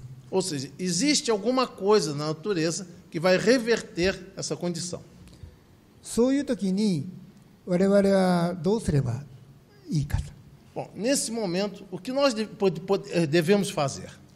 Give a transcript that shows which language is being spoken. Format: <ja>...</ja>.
<pt>Ou seja, existe alguma coisa na natureza que vai reverter essa condição.</pt> <ja>そういう時に我々はどうすればいいか。</ja> <pt>Bom, nesse momento, o que nós devemos fazer?</pt>